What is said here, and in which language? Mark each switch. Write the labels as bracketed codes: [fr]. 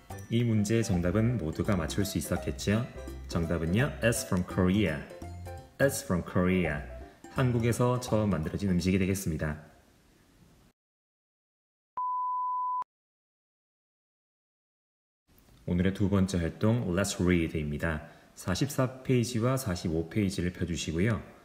[ko] 이 문제의 정답은 모두가 맞출 수 있었겠죠? 정답은요, [en] It's from Korea. It's from Korea. [ko] 한국에서 처음 만들어진 음식이 되겠습니다. 오늘의 두 번째 활동, [en] Let's Read [ko] 입니다. 44페이지와 45페이지를 펴주시고요.